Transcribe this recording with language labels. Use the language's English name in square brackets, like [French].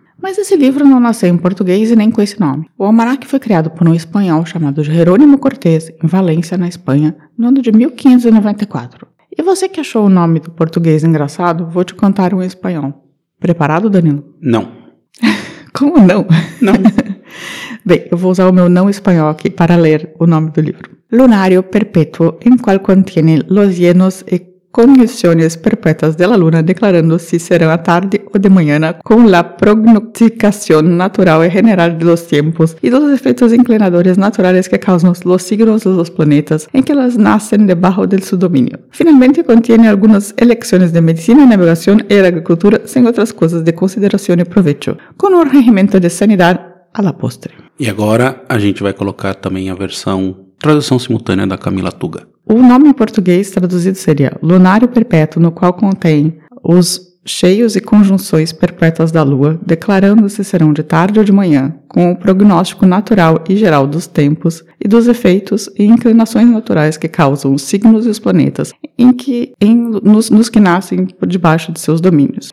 [Portuguese] Mas esse livro não nasceu em português e nem com esse nome. O almanaque foi criado por um espanhol chamado Jerônimo Cortés, em Valência, na Espanha, no ano de 1594. E você que achou o nome do português engraçado, vou te contar um espanhol. Preparado, Danilo? Não. Como não? Não. Bem, eu vou usar o meu não espanhol aqui para ler o nome do livro. [Spanish] Lunario perpetuo en cual contiene los llenos e condiciones perpetuas de la luna declarando si será a tarde o de mañana con la prognosticación natural y general de los tiempos y los efectos inclinadores naturales que causan los signos de los planetas en que las nacen debajo de su dominio. Finalmente contiene algunas elecciones de medicina, navegación y agricultura sin otras cosas de consideración y provecho, con un regimiento de sanidad a la postre. Y ahora a gente va a colocar también la versión [Portuguese] tradução simultânea da Camila Tuga. O nome em português traduzido seria Lunário Perpétuo, no qual contém os cheios e conjunções perpétuas da Lua, declarando se serão de tarde ou de manhã, com o prognóstico natural e geral dos tempos e dos efeitos e inclinações naturais que causam os signos e os planetas nos que nascem por debaixo de seus domínios.